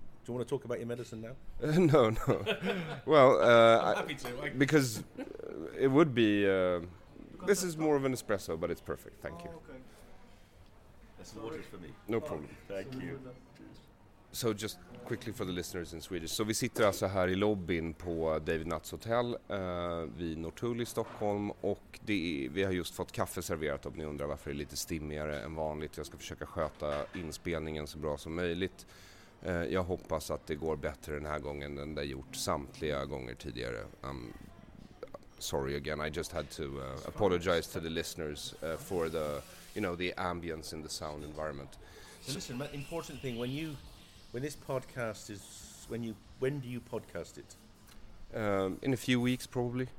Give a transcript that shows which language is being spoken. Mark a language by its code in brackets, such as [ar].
[en] Do you want to talk about your medicine now? No. Well, because it would be. This is more of an espresso, but it's perfect. Thank you. Okay. That's water for me. No problem. Thank you. So, just quickly for the listeners in Swedish. [sv] So, vi sitter alltså här i lobbyn på David Nutts hotell vid Norrtull i Stockholm. Och vi har just fått kaffe serverat, om ni undrar varför det är lite stimmigare än vanligt. Jag ska försöka sköta inspelningen så bra som möjligt. Jag hoppas att det går bättre den här gången än det gjort samtliga gånger tidigare. [en] Sorry again, I just had to apologize to the listeners for the, you know, the ambience in the sound environment. So listen, important thing, when do you podcast it? In a few weeks, probably.